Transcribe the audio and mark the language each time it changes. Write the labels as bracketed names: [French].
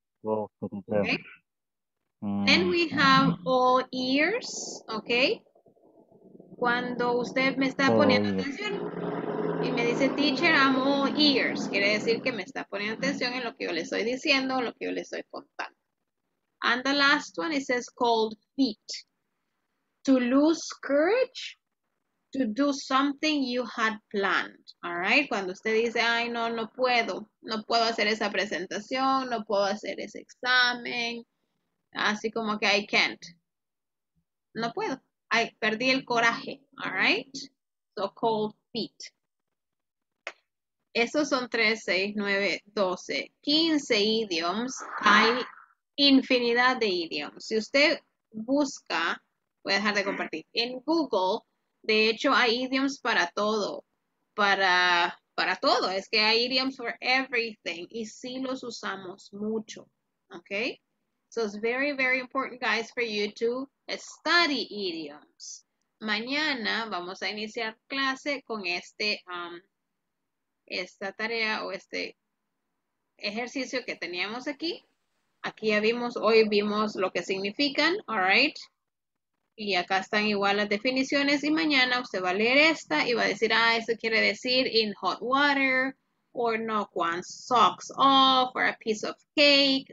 [English] Okay. Then we have all ears, okay? [Spanish] Cuando usted me está poniendo atención y me dice, [English] teacher, I'm all ears. [Spanish] Quiere decir que me está poniendo atención en lo que yo le estoy diciendo o lo que yo le estoy contando. [English] And the last one, it says cold feet. To lose courage to do something you had planned. [Spanish] All right, cuando usted dice, ay, no, no puedo, no puedo hacer esa presentación, no puedo hacer ese examen, así como que [English] I can't, [Spanish] no puedo, ay, perdí el coraje. [English] All right, so cold feet. [Spanish] Esos son 3, 6, 9, 12, 15 idioms. Hay infinidad de idioms. Si usted busca, voy a dejar de compartir, en Google, de hecho, hay idioms para todo. Para todo. Es que hay idioms [English] for everything. [Spanish] Y sí los usamos mucho. Okay? [English] So it's very, very important, guys, for you to study idioms. [Spanish] Mañana vamos a iniciar clase con este... esta tarea o este ejercicio que teníamos aquí. Aquí ya vimos, hoy vimos lo que significan, all right. Y acá están igual las definiciones y mañana usted va a leer esta y va a decir, ah, eso quiere decir [English] in hot water or knock one's socks off or a piece of cake.